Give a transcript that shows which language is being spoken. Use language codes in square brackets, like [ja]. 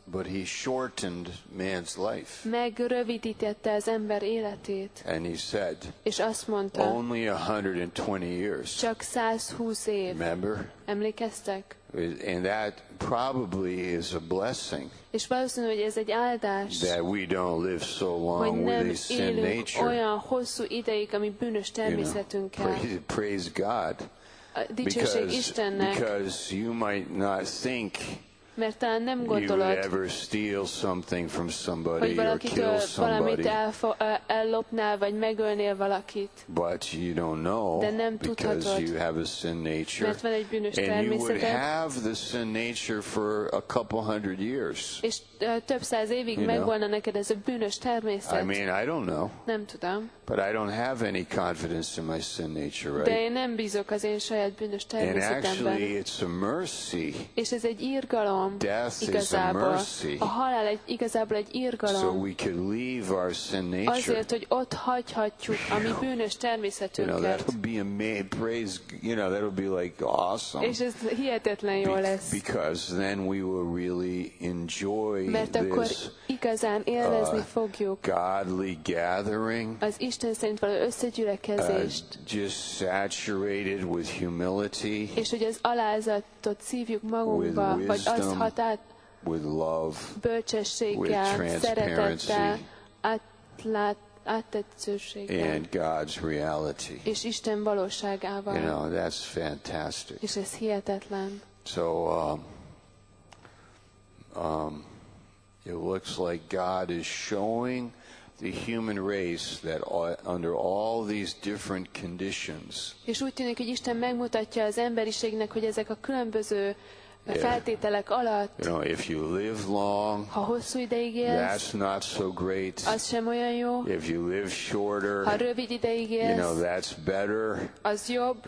[en] But he shortened man's life. [hu] Megrövidítette az ember életét. [en] And he said, [hu] és azt mondta, [en] only 120 years. [hu] Csak 120 év. [en] Remember? [hu] Emlékeztek? [en] And that probably is a blessing. [hu] És valószínű, hogy ez egy áldás. [en] That we don't live so long with this sin nature. [hu] Olyan hosszú ideig, ami bűnös természetünkkel. [en] You know, praise God. [hu] Dicsőség Istennek. [en] Because you might not think [hu] mert talán nem gondolod, [en] you ever steal something from somebody or kill somebody. [hu] Ellopnál, vagy megölnél valakit. [en] But you don't know because you have a sin nature. [hu] Mert van egy bűnös [en] and [hu] természeted. [en] You would have the sin nature for a couple hundred years. [hu] És több száz évig megvolna neked ez a bűnös természet. [en] I mean, I don't know. [hu] Nem tudom. [en] But I don't have any confidence in my sin nature, right? [hu] De én nem bízok az én saját bűnös természetemben. [en] And actually, it's a mercy. [hu] És ez egy irgalom. [en] Death [hu] igazából. [en] Is a mercy. [hu] A halál egy, igazából egy irgalom. [en] So we can leave our sin nature. [hu] Azért, hogy ott hagyhatjuk a mi bűnös természetünket. [en] You know, that'll be amazing. Praise, you know, that'll be like awesome. [hu] És ez hihetetlen jó lesz. [en] Because then we will really enjoy [hu] mert akkor igazán élvezni fogjuk [en] godly gathering, [hu] az Isten szerint való összegyülekezést, [en] just saturated with humility, [hu] és hogy az alázatot szívjuk magunkba, [en] wisdom, [hu] vagy az hatát [en] with love, [hu] bölcsességgel, szeretettel, áttetszőséggel, [en] and God's reality. [hu] És Isten valóságával. [en] You know, that's fantastic. [hu] És ez hihetetlen. [en] So, it looks like God is showing the human race that under all these different conditions. [hu] És úgy tűnik, hogy Isten megmutatja az emberiségnek, hogy ezek a különböző feltételek alatt. [en] You know, if you live long, [hu] ha hosszú ideig élsz, [en] that's not so great. [hu] Az sem olyan jó. [en] If you live shorter, [hu] ha rövid ideig élsz, [en] you know, that's better. [hu] Az jobb.